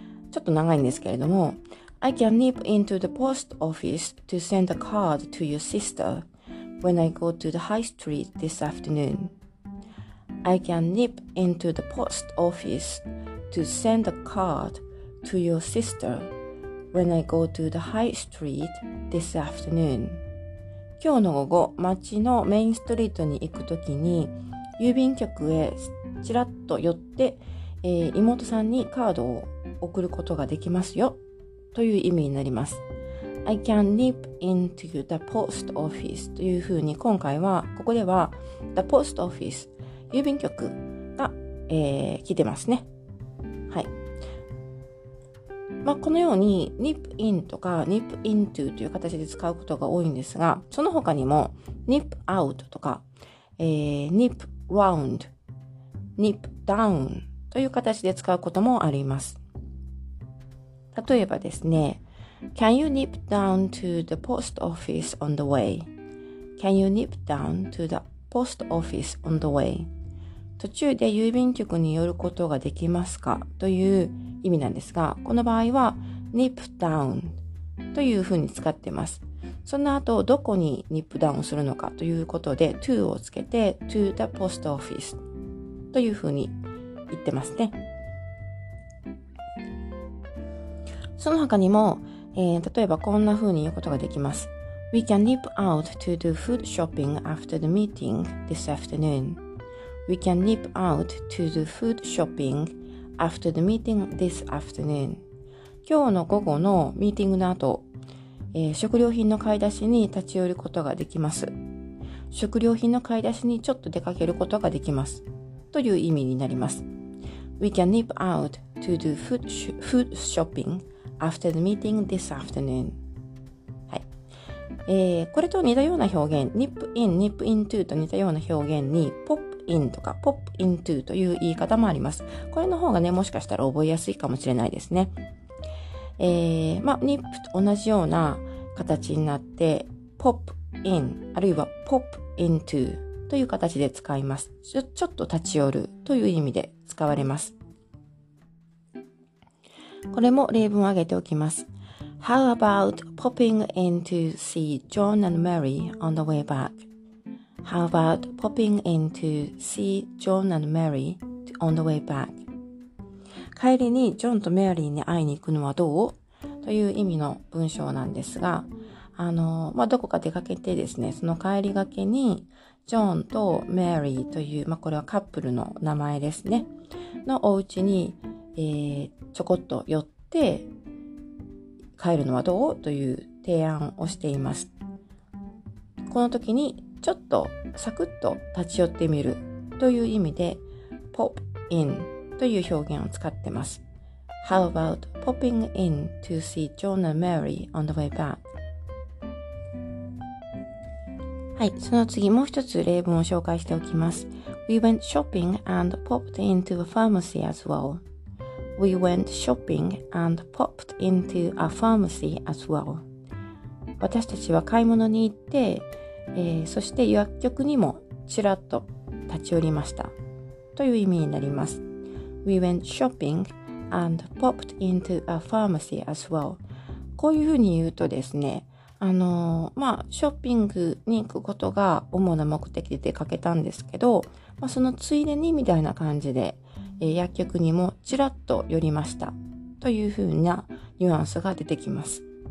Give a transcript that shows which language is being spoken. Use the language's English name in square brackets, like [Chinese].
[Japanese] ちょっと長いんですけれども、 [English] I can nip into the post office to send a card to your sister when I go to the high street this afternoon. I can nip into the post office to send a card to your sister when I go to the high street this afternoon. [Japanese] 今日の午後、街のメインストリートに行くときに、郵便局へちらっと寄って、妹さんにカードを送ることができますよという意味になります。 [English] I can nip into the post office [Japanese] というふうに、今回はここでは the post office 郵便局が、来てますね。はい、このように nip in とか nip into という形で使うことが多いんですが、その他にも nip out とか、nip round、 nip downという形で使うこともあります。例えばですね、 [English] Can you nip down to the post office on the way? Can you nip down to the post office on the way? [Japanese] 途中で郵便局に寄ることができますか? という意味なんですが、この場合は nip down というふうに使っています。その後、どこに nip down するのかということで、to をつけて to the post office というふうに言ってますね。その他にも、例えばこんな風に言うことができます。 [English] We can nip out to do food shopping after the meeting this afternoon. We can nip out to do food shopping after the meeting this afternoon. [Japanese] 今日の午後のミーティングの後、食料品の買い出しに立ち寄ることができます。食料品の買い出しにちょっと出かけることができますという意味になります。 [English] We can nip out to do food shopping after the meeting this afternoon. [Japanese] はい、これと似たような表現、nip in, nip into と似たような表現に、pop in とか pop into という言い方もあります。これの方がね、もしかしたら覚えやすいかもしれないですね。 nip と同じような形になって、pop in あるいは pop into という形で使います。ちょっと立ち寄るという意味で使われます。これも例文を挙げておきます。 [English] How about popping in to see John and Mary on the way back? How about popping in to see John and Mary on the way back? [Japanese] 帰りにジョンとメアリーに会いに行くのはどう? という意味の文章なんですが、どこか出かけてですね、その帰りがけに、ジョンとメアリーという、これはカップルの名前ですね、のお家に、ちょこっと寄って帰るのはどう？という提案をしています。この時にちょっとサクッと立ち寄ってみるという意味で pop in という表現を使ってます。 [English] How about popping in to see John and Mary on the way back？ [Japanese] はい、その次もう一つ例文を紹介しておきます。 [English] We went shopping and popped into a pharmacy as well. We went shopping and popped into a pharmacy as well. [Japanese] 私たちは買い物に行って、そして薬局にもちらっと立ち寄りましたという意味になります。 [English] We went shopping and popped into a pharmacy as well. [Japanese] こういうふうに言うとですね、まあ、ショッピングに行くことが主な目的で出かけたんですけど、まあ、そのついでにみたいな感じで、薬局にもちらっと寄りましたというふうなニュアンスが出てきます。